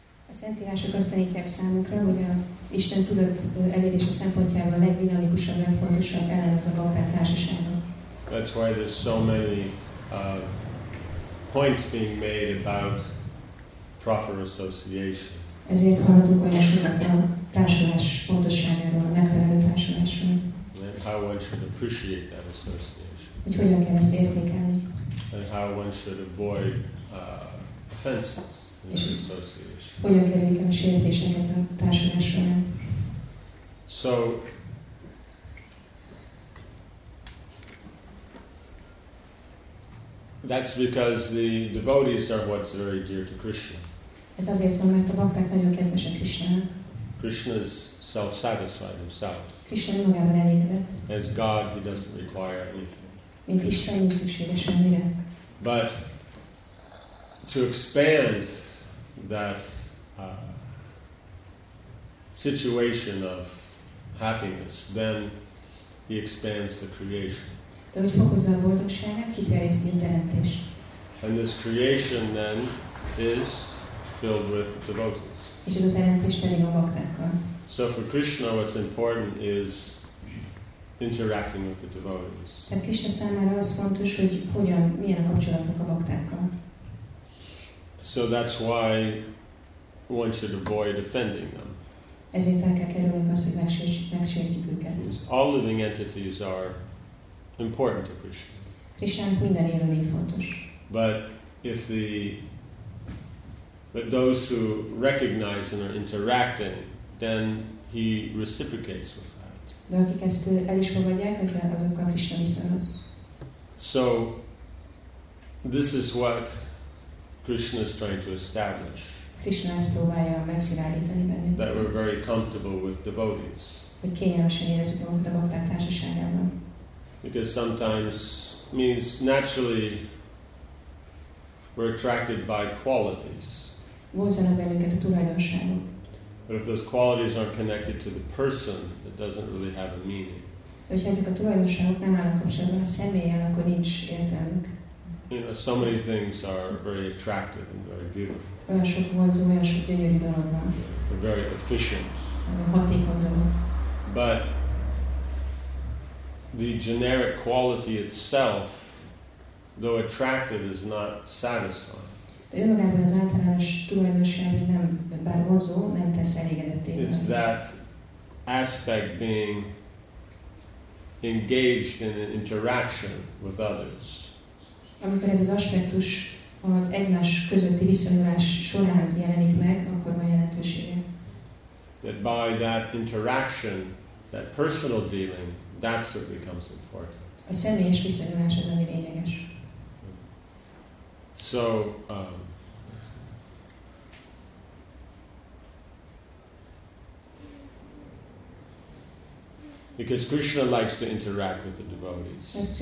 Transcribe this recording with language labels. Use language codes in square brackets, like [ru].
[hu] A szentírások azt tanítják számunkra, hogy az Isten tudat elérése szempontjából a legdinamikusabb, legfontosabb elem az a bhakták társasága. [en] That's why there's so many points being made about proper association. [hu] Ezért hallottuk olyan sokat a társulás fontosságáról, a megfelelő társulásról. [en] And how one should appreciate that association. [hu] Hogy hogyan kell ezt értékelni. [en] And how one should avoid offenses in the association. [hu] Hogyan kerüljük el a sértéseket a társulás során. [en] So, that's because the devotees are what's very dear to Krishna. [hu] Ez azért van, mert a bhakták nagyon kedvesek Krishnának. [en] Krishna is self-satisfied himself. [hu] Krishna magában elégedett. [en] As God, he doesn't require anything. [hu] Mint Isten, nem szüksége semmire. [en] But to expand that situation of happiness, then he expands the creation. [hu] De hogy fokozza a boldogságát, kiterjeszti a teremtés. [en] And this creation then is filled with devotees. [hu] És ez a teremtés teli a baktákkal. [en] So for Krishna, what's important is interacting with the devotees. [hu] Tehát Krishna számára az fontos, hogy hogyan, milyen a kapcsolatok a baktákkal. [en] So that's why one should avoid offending them. [hu] Ezért el kell kerülnünk azt, hogy megsértjük őket. [en] All living entities are important to Krishna. [hu] Krishna minden élő lény fontos. [en] But those who recognize and are interacting, then he reciprocates with that. [hu] De akik ezt el is fogadják, azokkal Krishna viszonyoz. [en] So this is what Krishna is trying to establish. [hu] Krishna ezt próbálja megszilárdítani bennünk. [en] That we're very comfortable with devotees. [hu] Hogy kényelmesen érezzük magunkat a bhakták társaságában. [en] Because sometimes means naturally we're attracted by qualities. [hu] Vonzanak bennünket a tulajdonságok. [en] But if those qualities aren't connected to the person, it doesn't really have a meaning. [hu] De hogyha ezek a tulajdonságok nem állnak kapcsolatban a személlyel, akkor nincs értelmük. [en] You know, so many things are very attractive and very beautiful. [hu] Olyan sok vonzó, olyan sok gyönyörű dolog van. [en] They're very efficient. [hu] Nagyon hatékony dolog. [en] But the generic quality itself, though attractive, is not satisfying. [hu] De önmagában az általános tulajdonság, nem, bár vonzó, nem tesz elégedetté. [en] It's that aspect being engaged in an interaction with others. [hu] Amikor ez az aspektus az egymás közötti viszonyulás során jelenik meg, akkor van jelentősége. [en] That by that interaction, that personal dealing, that's what becomes important. [hu] A személyes viszonyulás az, ami lényeges. [en] So, because Krishna likes to interact with the devotees.